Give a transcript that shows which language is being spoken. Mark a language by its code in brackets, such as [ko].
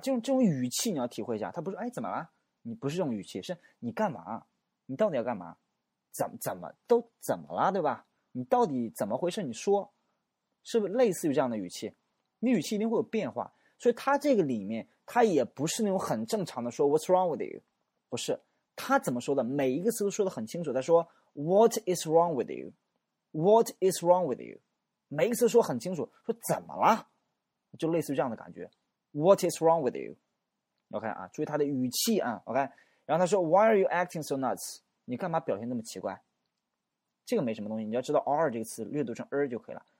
[zh] 这种语气你要体会一下，他不是哎怎么了？你不是这种语气，是你干嘛？你到底要干嘛？怎么了？对吧？你到底怎么回事？你说，是不是类似于这样的语气？你语气一定会有变化，所以他这个里面他也不是那种很正常的说 [en] What's wrong with you？ [zh] 不是。他怎么说的？每一个词都说得很清楚。 [en] 他说 "What is wrong with you? What is wrong with you?" [zh] 每一个词说很清楚，说怎么了，就类似于这样的感觉。 [en] "What is wrong with you?" [zh] OK 啊，注意他的语气啊。 [en] OK， [zh] 然后他说 [en] "Why are you acting so nuts?" [zh] 你干嘛表现那么奇怪？这个没什么东西，你要知道 "are" 这个词略读成 "er" 就可以了。